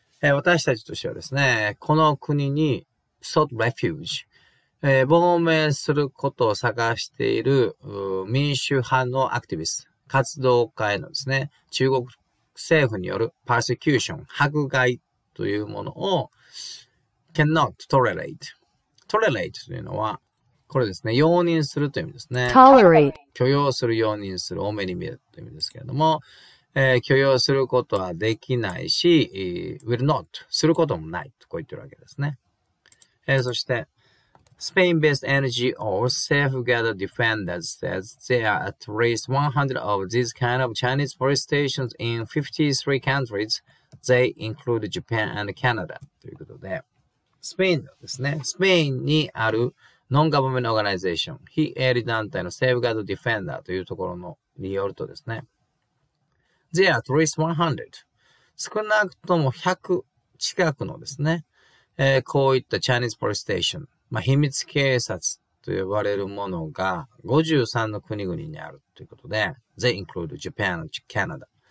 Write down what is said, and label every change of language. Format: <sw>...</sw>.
<ja>私たちとしてはですね、この国に</ja> <en>sought refuge、</en> <ja>亡命することを探している民主派のアクティビスト、活動家へのですね、中国政府によるパーセキューション、迫害というものを</ja> <en>cannot tolerate。</en> <ja>tolerate というのは、これですね、容認するという意味ですね。</ja> <en>tolerate。</en> <ja>許容する、容認する、お目に見えるという意味ですけれども、許容することはできないし、</ja> <en>will not</en> <ja>することもないとこう言ってるわけですね。</ja> <en>そして、Spain-based NGO Safeguard Defenders says there are at least 100 of these kind of Chinese police stations in 53 countries. They include Japan and Canada.</en> <ja>ということで、スペインですね。スペインにある</ja> <en>Non-Government Organization</en> <ja>非営利団体の Safeguard Defender というところのによるとですね、</ja> <en>There are at least 100.</en> <ja>少なくとも100近くのですね、こういった</ja> <en>Chinese police station、</en> <ja>まあ、秘密警察と呼ばれるものが53の国々にあるということで、</ja> <en>they include Japan and Canada。</en>